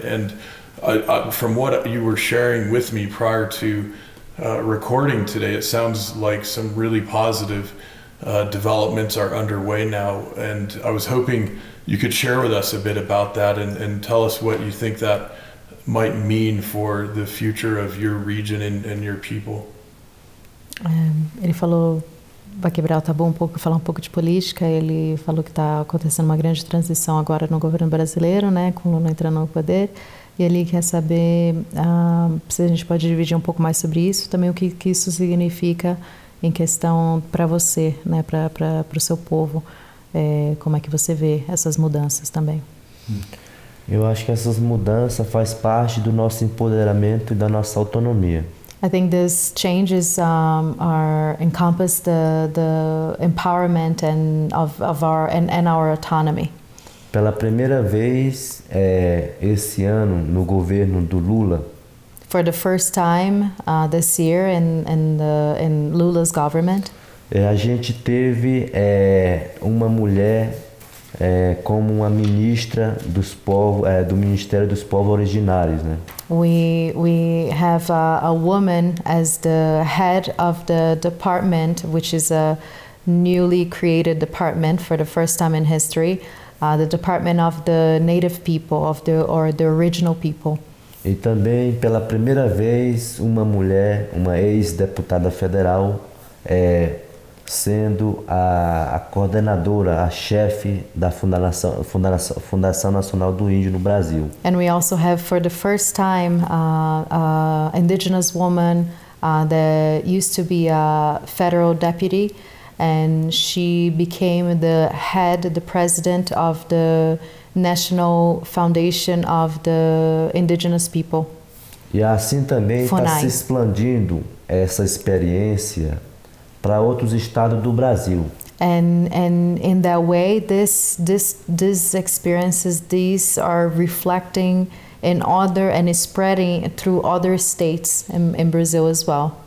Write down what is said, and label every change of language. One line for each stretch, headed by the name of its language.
English: And from what you were sharing with me prior to recording today, it sounds like some really positive developments are underway now. And I was hoping you could share with us a bit about that and tell us what you think that might mean for the future of your region and your people.
Portuguese: Ele falou, vai quebrar o tabu um pouco, falar um pouco de política. Ele falou que está acontecendo uma grande transição agora no governo brasileiro, né, com Lula entrando no poder. E ele quer saber se a gente pode dividir um pouco mais sobre isso, também o que, que isso significa em questão para você, né, para o seu povo. Como é que você vê essas mudanças também? Eu acho que essas mudanças faz parte do nosso empoderamento e da nossa autonomia.
English: I think these changes are encompass the empowerment and of our and our autonomy.
Portuguese: Pela primeira vez esse ano no governo do Lula.
English: For the first time this year in Lula's government.
Portuguese: A gente teve uma mulher como uma ministra dos povos do Ministério dos Povos Originários, né?
English: We have a woman as the head of the department, which is a newly created department for the first time in history, the department of the native people of the or the original people.
Portuguese: E também pela primeira vez uma mulher, uma ex-deputada federal, sendo a coordenadora, a chefe da Fundação Nacional do Índio no Brasil.
English: And we also have for the first time an indigenous woman that used to be a federal deputy, and she became the head, the president of the National Foundation of the Indigenous People.
Portuguese: E assim também está se expandindo essa experiência para outros estados do Brasil.
English: And in that way, this experiences, these are reflecting in other and spreading through other states in Brazil as well.